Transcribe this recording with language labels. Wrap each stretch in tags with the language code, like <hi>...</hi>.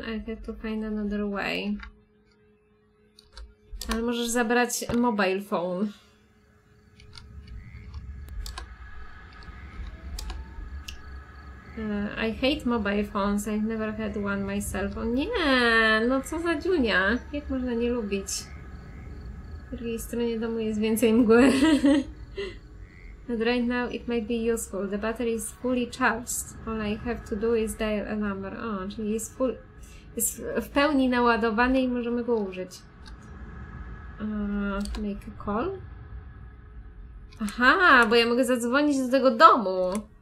<en>I have to find another way.</en> <pl>Ale możesz zabrać</pl> <en>mobile phone. I hate mobile phones. I've never had one myself.</en> <pl>O nie! No co za dziunia? Jak można nie lubić? W drugiej stronie domu jest więcej mgły.</pl> <en>But right now it might be useful. The battery is fully charged. All I have to do is dial a number.</en> <pl>O, czyli jest, jest w pełni naładowany i możemy go użyć.</pl> <en>Make a call?</en> <pl>Aha, bo ja mogę zadzwonić do tego domu.</pl>